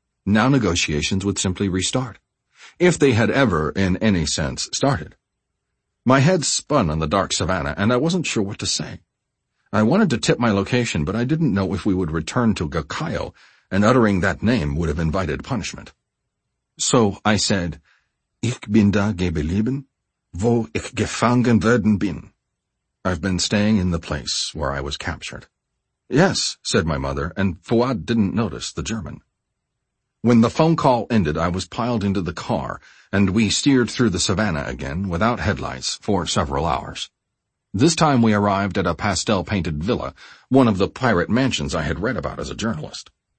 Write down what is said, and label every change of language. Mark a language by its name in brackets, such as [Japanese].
[English] Now negotiations would simply restart. If they had ever, in any sense, started. My head spun on the dark savannah, and I wasn't sure what to say. I wanted to tip my location, but I didn't know if we would return to Gakayo, and uttering that name would have invited punishment. So I said, [German] Ich bin da geblieben, wo ich gefangen worden bin. [English] I've been staying in the place where I was captured. Yes, said my mother, and Fuad didn't notice the German. When the phone call ended, I was piled into the car, and we steered through the savannah again, without headlights, for several hours. This time we arrived at a pastel-painted villa, one of the pirate mansions I had read about as a journalist.